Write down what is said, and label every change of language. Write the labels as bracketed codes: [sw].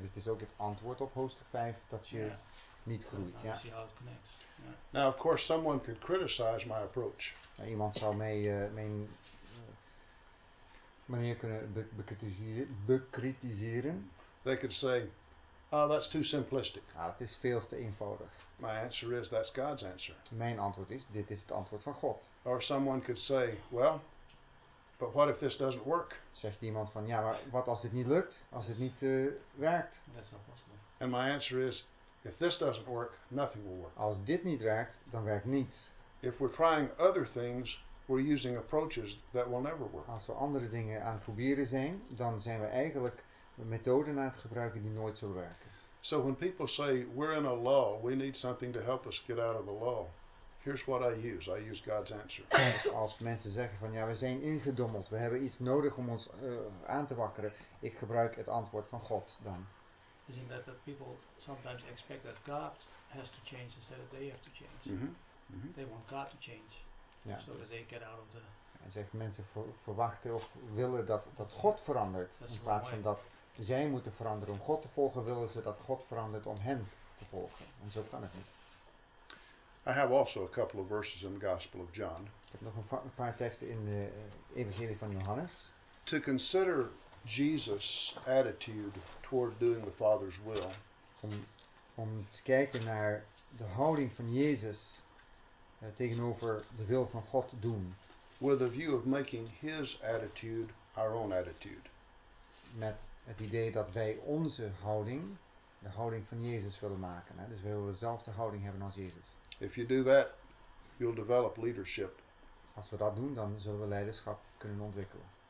[nl] Dit is ook het antwoord op hoofdstuk 5 dat je niet groeit. Ja. [en] Now, of course, someone could criticize my approach. [nl] Iemand zou mijn manier kunnen bekritiseren. [en] They could say, "Oh, that's too simplistic." [nl] Dat is veel te eenvoudig. [en] My answer is, that's God's answer. [nl] Mijn antwoord is, dit is het antwoord van God. [en] Or someone could say, "Well, but what if this doesn't work?" [nl] Zegt iemand van, ja, maar wat als dit niet lukt, als dit niet werkt? [en] That's not possible. And my answer is, if this doesn't work, nothing will work. [nl] Als dit niet werkt, dan werkt niets. [en] If we're trying other things, we're using approaches that will never work. [nl] Als we andere dingen aan het proberen zijn, dan zijn we eigenlijk methoden aan het gebruiken die nooit zullen werken. [en] So when people say we're in a lull, we need something to help us get out of the lull. Here's what I use. I use God's answer. [nl] Als mensen zeggen van ja, we zijn ingedommeld, we hebben iets nodig om ons aan te wakkeren, ik gebruik het antwoord van God dan. [en] Is in that people sometimes expect that God has to change instead of they have to change. Mm-hmm. They want God to change, yeah, so that they get out of the. [nl] En zegt mensen verwachten of willen dat God verandert in plaats van dat zij moeten veranderen om God te volgen. Willen ze dat God verandert om hen te volgen? En zo kan het niet. [en] I have also a couple of verses in the Gospel of John. [nl] Ik heb nog een paar teksten in de Evangelie van Johannes. [en] To consider Jesus' attitude toward doing the Father's will. [nl] Om te kijken naar de houding van Jezus tegenover de wil van God doen. [en] With a view of making his attitude our own attitude. [nl] Met het idee dat wij onze houding, de houding van Jezus willen maken. Hè? Dus wij willen dezelfde houding hebben als Jezus. [en] If you do that, you'll develop leadership. [nl] Als we dat doen, dan zullen we leiderschap kunnen ontwikkelen.